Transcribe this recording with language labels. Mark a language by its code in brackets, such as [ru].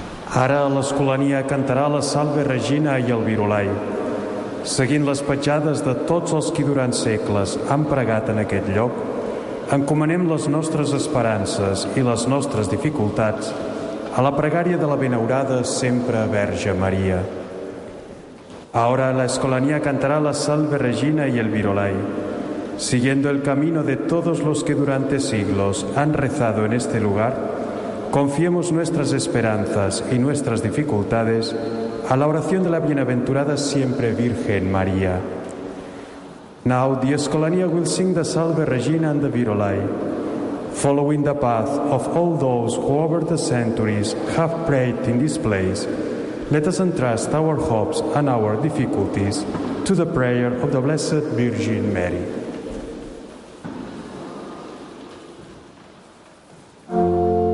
[ca] Ara l'Escolania cantarà la Salve Regina i el Virolai, seguint les petjades de tots els qui durant segles han pregat en aquest lloc, encomanem les nostres esperances i les nostres dificultats a la pregària de la benaurada sempre Verge Maria. Ara l'Escolania cantarà la Salve Regina i el Virolai, [es] siguiendo el camino de todos los que durante siglos han rezado en este lugar, confiemos nuestras esperanzas y nuestras dificultades a la oración de la bienaventurada siempre Virgen María. [en] Now the Escolania will sing the Salve Regina and the Virolai, following the path of all those who over the centuries have prayed in this place. Let us entrust our hopes and our difficulties to the prayer of the Blessed Virgin Mary.